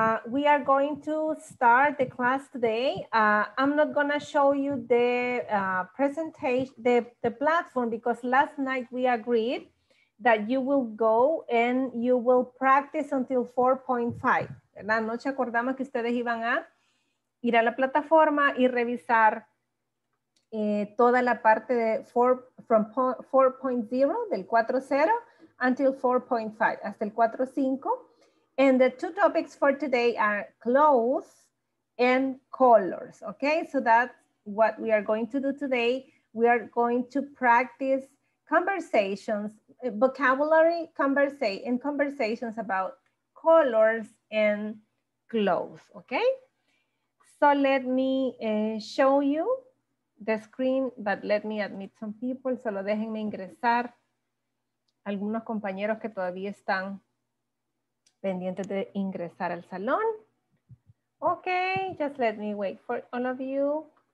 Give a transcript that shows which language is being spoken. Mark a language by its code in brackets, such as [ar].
[en] We are going to start the class today. I'm not going to show you the presentation, the platform, because last night we agreed that you will go and you will practice until 4.5. [es] La noche acordamos que ustedes iban a ir a la plataforma y revisar toda la parte de [en] from 4.0 [es] del 4.0 [en] until 4.5, [es] hasta el 4.5. [en] And the two topics for today are clothes and colors. Okay, so that's what we are going to do today. We are going to practice conversations, vocabulary conversations about colors and clothes. Okay, so let me show you the screen, but let me admit some people. [es] Solo déjenme ingresar algunos compañeros que todavía están pendientes de ingresar al salón. [en] Okay, just let me wait for all of you.